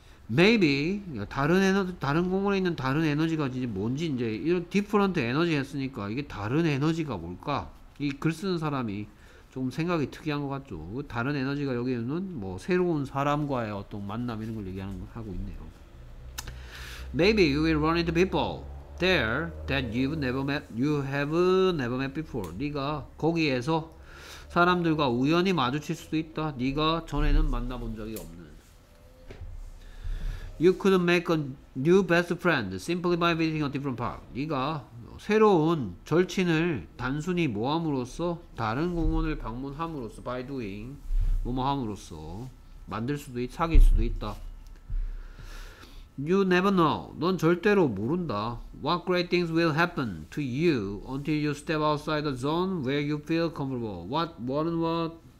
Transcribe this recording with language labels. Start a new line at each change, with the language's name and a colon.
Korean: Maybe 다른 에너지 다른 공원에 있는 다른 에너지가 이제 뭔지 이제 이런 different 에너지 했으니까 이게 다른 에너지가 뭘까? 이 글 쓰는 사람이 좀 생각이 특이한 것 같죠. 다른 에너지가 여기에는 뭐 새로운 사람과의 어떤 만남 이런 걸 얘기하는 걸 하고 있네요.
English: Maybe you will run into people there that you've never met you have never met before.
Korean: 네가 거기에서 사람들과 우연히 마주칠 수도 있다. 네가 전에는 만나본 적이 없는.
English: You could make a new best friend simply by visiting a different park.
Korean: 네가 새로운 절친을 단순히 모함으로써 다른 공원을 방문함으로써
English: by doing
Korean: 모함으로써 만들 수도 있, 사귈 수도 있다.
English: You never know.
Korean: 넌 절대로 모른다.
English: What great things will happen to you until you step outside the zone where you feel comfortable. What? What and what?